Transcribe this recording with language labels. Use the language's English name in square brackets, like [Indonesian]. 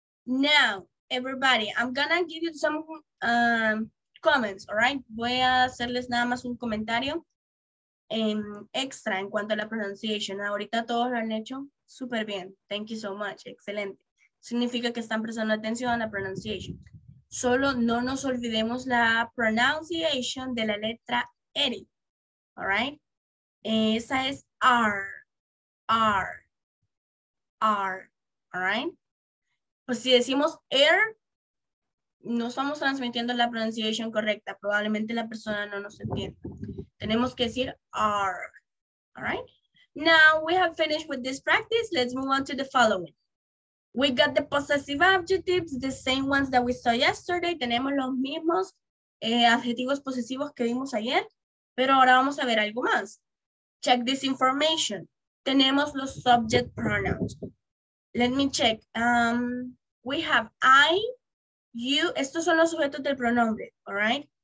[English] Now, everybody, I'm gonna give you some comments, all right? [Spanish] Voy a hacerles nada más un comentario extra en cuanto a la pronunciation. Ahorita todos lo han hecho súper bien. [English] Thank you so much. [Spanish] Excelente. Significa que están prestando atención a la pronunciation. Solo no nos olvidemos la pronunciation de la letra R. [English] All right? [Spanish] Esa es R. R. R. [English] All right? [Spanish] Pues si decimos R, no estamos transmitiendo la pronunciation correcta. Probablemente la persona no nos entienda. Tenemos que decir R. [English] All right? Now we have finished with this practice. Let's move on to the following. We got the possessive adjectives, the same ones that we saw yesterday. [Spanish] Tenemos los mismos adjetivos posesivos que vimos ayer, pero ahora vamos a ver algo más. [English] Check this information. [Spanish] Tenemos los subject pronouns. [English] Let me check. We have I, you. [Spanish] Estos son los sujetos del pronombre, all right?